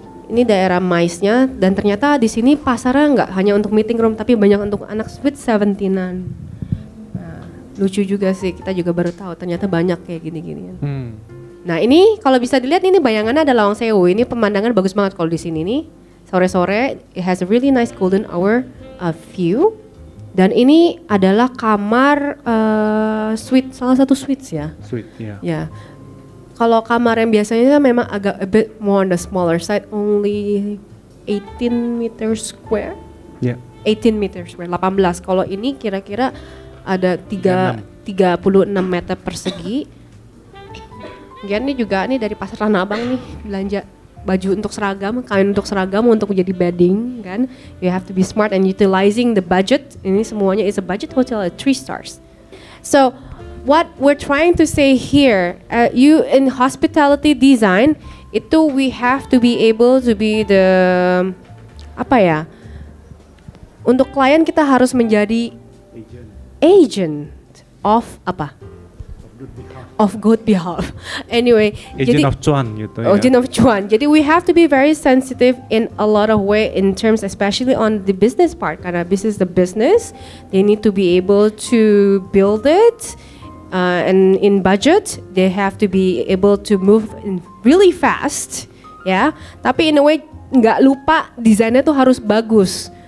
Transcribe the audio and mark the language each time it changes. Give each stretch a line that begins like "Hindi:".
Indonesian: Ini daerah MICE-nya dan ternyata di sini pasarnya nggak hanya untuk meeting room, tapi banyak untuk anak sweet 17-an. Lucu juga sih, kita juga baru tahu ternyata banyak kayak gini-ginian. Nah, ini kalau bisa dilihat ini bayangannya ada Lawang Sewu. Ini pemandangan bagus banget kalau di sini nih. Sore-sore
English: it has a really nice golden hour view.
Indonesian: Dan ini adalah kamar suite, salah satu suite ya. Suite, ya.
English: Yeah.
Indonesian: Kalau kamar yang biasanya memang agak
English: a bit more on the smaller side, only 18 meters square.
Indonesian: Ya.
English: Yeah. 18 meters square, 18.
Indonesian: Kalau ini kira-kira ada 36 meter persegi. Gian nih juga nih dari Pasar Tanah Abang nih belanja baju untuk seragam, kain untuk seragam untuk menjadi bedding kan.
English: You have to be smart and utilizing the budget.
Indonesian: Ini semuanya
English: is a budget hotel at 3 stars. So, what we're trying to say here, you in hospitality design, itu we have to be able to be the
Indonesian: apa ya? Untuk klien kita harus menjadi agent of apa?
English: Of good behalf. Anyway,
Indonesian: agent jadi, of cuan gitu ya.
English: Agent of cuan.
Indonesian: Jadi
English: we have to be very sensitive in a lot of way in terms especially on the business part.
Indonesian: Karena
English: this is the business, they need to be able to build it and in budget, they have to be able to move in really fast,
Indonesian: ya.
English: Yeah?
Indonesian: Tapi
English: in a way
Indonesian: enggak lupa desainnya tuh harus bagus.